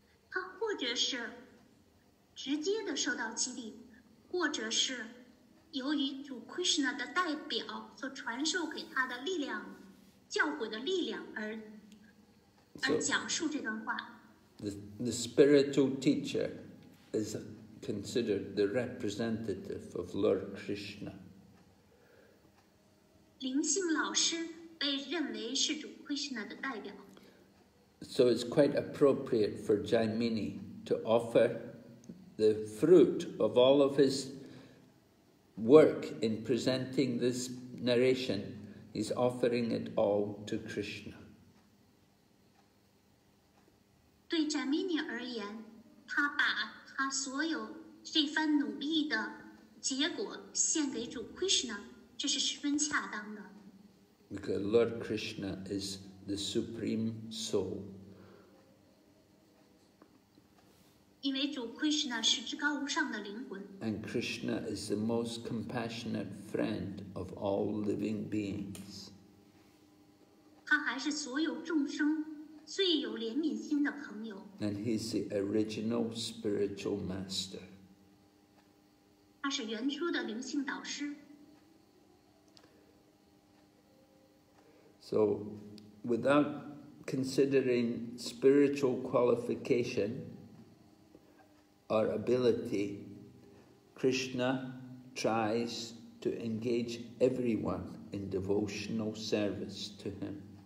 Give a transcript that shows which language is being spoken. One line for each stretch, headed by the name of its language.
Chinese: 他或者是直接的受到激励，或者是由于主 Krishna 的代表所传授给他的力量，教诲的力量而讲述这段话。
English: The spiritual teacher is considered the representative of Lord Krishna.
Chinese: 灵性老师被认为是主 Krishna 的代表。
English: So it's quite appropriate for Jaimini to offer the fruit of all of his work in presenting this narration. He's offering it all to Krishna.
Chinese: 对 Jaimini 而言，他把他所有这番努力的结果献给主 Krishna， 这是十分恰当的。
English: Because Lord Krishna is the supreme soul.
Chinese: 因为主 Krishna 是至高无上的灵魂。
English: And Krishna is the most compassionate friend of all living beings.
Chinese: 他还是所有众生最有怜悯心的朋友。
English: And he's the original spiritual master.
Chinese: 他是原初的灵性导师。
English: So, without considering spiritual qualification or ability, Krishna tries to engage everyone in devotional service to him.